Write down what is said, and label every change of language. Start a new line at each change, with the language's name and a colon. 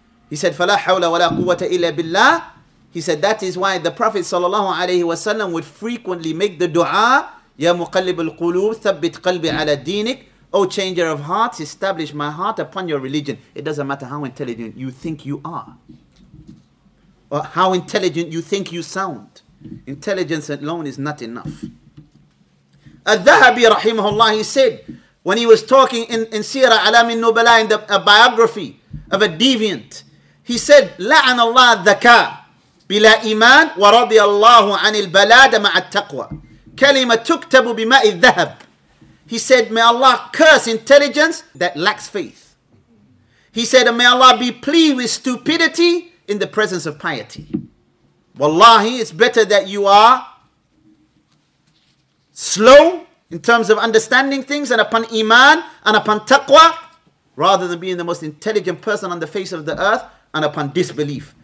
English: He said,
Arabic: فَلَا حَوْلَ وَلَا قُوَّةَ إِلَّا بِاللَّهِ.
English: He said, that is why the Prophet sallallahu alayhi wa sallam would frequently make the dua,
Arabic: Ya muqallib al-qulub, thabbit qalbi ala dinik,
English: O changer of hearts, establish my heart upon your religion. It doesn't matter how intelligent you think you are, or how intelligent you think you sound. Intelligence alone is not enough. Al-Dhahabi rahimahullah, he said, when he was talking in Sirah Alam al-Nubala, in a biography of a deviant, he said,
Arabic: La'an Allah dhaka. بلا إيمان ورضي الله عن البلاد مع التقوى كلمة تكتب بماء الذهب.
English: He said, may Allah curse intelligence that lacks faith. He said, may Allah be pleased with stupidity in the presence of piety. Wallahi, it's better that you are slow in terms of understanding things and upon iman and upon taqwa, rather than being the most intelligent person on the face of the earth and upon disbelief.